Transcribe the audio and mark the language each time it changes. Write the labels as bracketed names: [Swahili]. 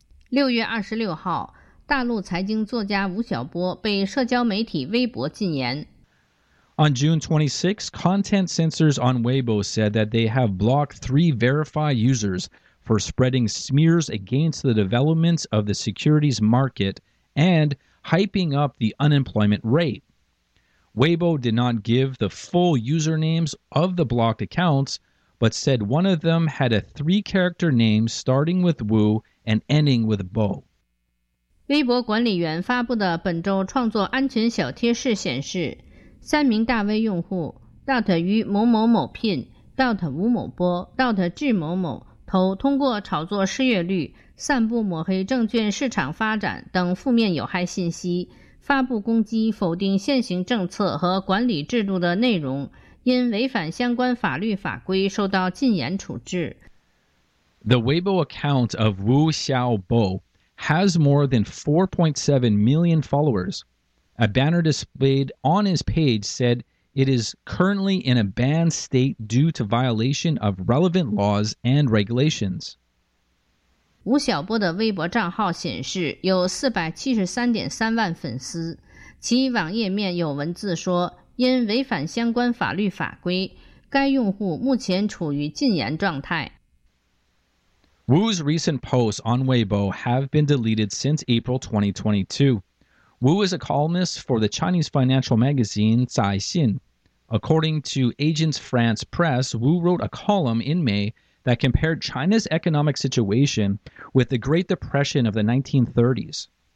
[Chinese] 6月26号，大陆财经作家吴晓波被社交媒体微博禁言。 [English] On June 26, content censors on Weibo said that they have blocked three verified users for spreading smears against the developments of the securities market and hyping up the unemployment rate. Weibo did not give the full usernames of the blocked accounts, but said one of them had a three-character name starting with Wu and ending with Bo. [Chinese] 微博管理员发布的本周创作安全小贴士显示，三名大 V 用户 dot 于某某某聘 dot 吴某波 dot 智某某投通过炒作失业率、散布抹黑证券市场发展等负面有害信息，发布攻击否定现行政策和管理制度的内容，因违反相关法律法规受到禁言处置。 [English] The Weibo account of Wu Xiaobo. Has more than 4.7 million followers. A banner displayed on his page said it is currently in a banned state due to violation of relevant laws and regulations. [Chinese] 吴晓波的微博账号显示有 473.3 万粉丝，其网页面有文字说，因违反相关法律法规，该用户目前处于禁言状态。 [English] Wu's recent posts on Weibo have been deleted since April 2022. Wu is a columnist for the Chinese financial magazine Caixin. According to Agence France Presse, Wu wrote a column in May that compared China's economic situation with the Great Depression of the 1930s.